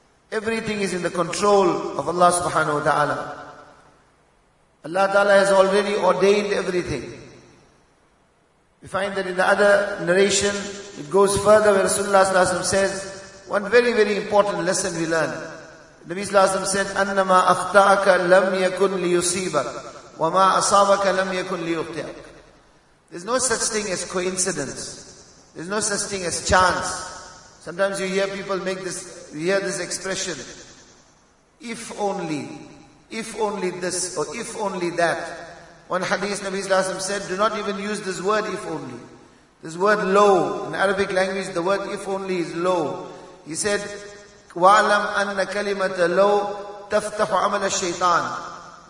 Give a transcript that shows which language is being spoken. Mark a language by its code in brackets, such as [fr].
[en] Everything is in the control of Allah subhanahu wa ta'ala. Allah ta'ala has already ordained everything. We find that in the other narration, it goes further where Rasulullah sallallahu alayhi wa sallam says, one very, very important lesson we learn. [ar] Nabi sallallahu alayhi wa sallam said, أَنَّمَا أَخْطَأَكَ لَمْ يَكُنْ لِيُصِيبَكَ وَمَا أَصَابَكَ لَمْ يَكُنْ لِيُخْطِئَكَ. [en] There's no such thing as coincidence. There's no such thing as chance. Sometimes you hear people make this, you hear this expression, if only this, or if only that. One hadith, Nabi sallallahu alayhi wa sallam said, do not even use this word if only. This word low, in Arabic language, the word if only is low. He said, [ar] وَعْلَمْ أَنَّ كَلِمَةَ لَوْ تَفْتَحُ عَمَلَ الشَّيْطَانِ.